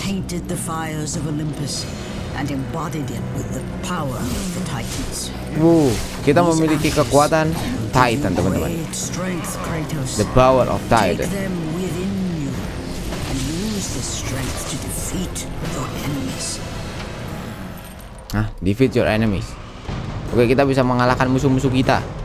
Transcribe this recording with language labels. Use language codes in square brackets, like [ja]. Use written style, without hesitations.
[en] Tainted the fires of Olympus and embodied it with the power of the Titans. [id] Kita memiliki kekuatan Titan, teman-teman. [en] The power of Titan. Take them within you and use the strength to defeat your enemies. Defeat your enemies. [id] Oke, kita bisa mengalahkan musuh-musuh kita.